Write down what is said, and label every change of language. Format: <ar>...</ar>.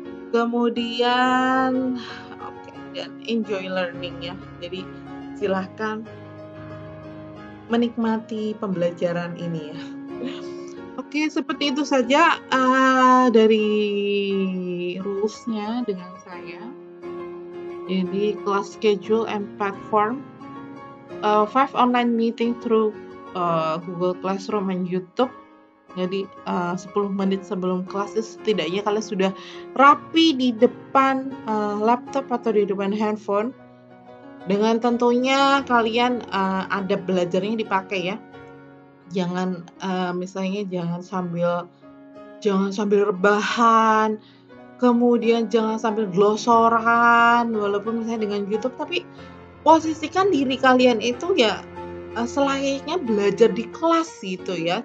<id>Kemudian oke, dan</id> <en>enjoy learning</en> <id>ya. Jadi silahkan menikmati pembelajaran ini ya. Oke, seperti itu saja dari rules-nya dengan saya.</id> <en>Jadi class schedule and platform, 5 online meeting through Google Classroom and YouTube.</en> <id>Jadi 10 menit sebelum kelas setidaknya kalian sudah rapi di depan laptop atau di depan handphone, dengan tentunya kalian adab belajarnya dipakai ya. Jangan misalnya jangan sambil rebahan, kemudian jangan sambil glosoran, walaupun misalnya dengan YouTube, tapi posisikan diri kalian itu ya selayaknya belajar di kelas gitu ya.</id>